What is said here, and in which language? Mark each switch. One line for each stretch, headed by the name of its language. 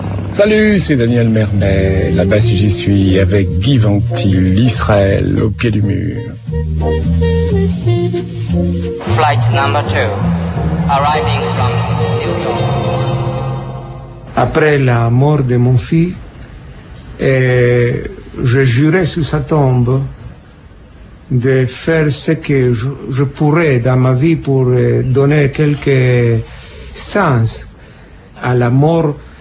French: Salut, c'est Daniel Mermet, là-bas si j'y suis, avec Guy Ventil, Israël, au pied du mur.
English: Flight number 2, arriving from New York.
French: Après la mort de mon fils, j'ai juré sur sa tombe de faire ce que je pourrais dans ma vie pour donner quelque sens à la mort.